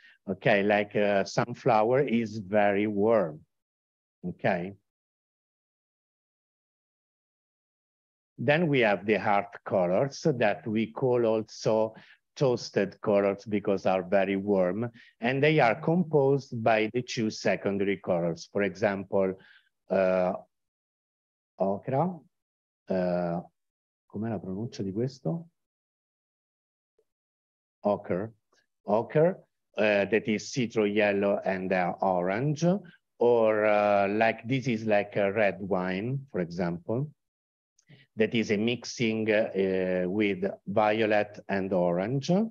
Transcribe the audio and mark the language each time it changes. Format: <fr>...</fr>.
<en>Okay, like sunflower is very warm, okay? Then we have the heart colors that we call also toasted colors because are very warm, and they are composed by the two secondary colors. For example, ochra,</en> <it>com'è la pronuncia di questo?</it> <en>Ochre, that is citro yellow and orange, or like this is like a red wine, for example. That is a mixing with violet and orange.</en>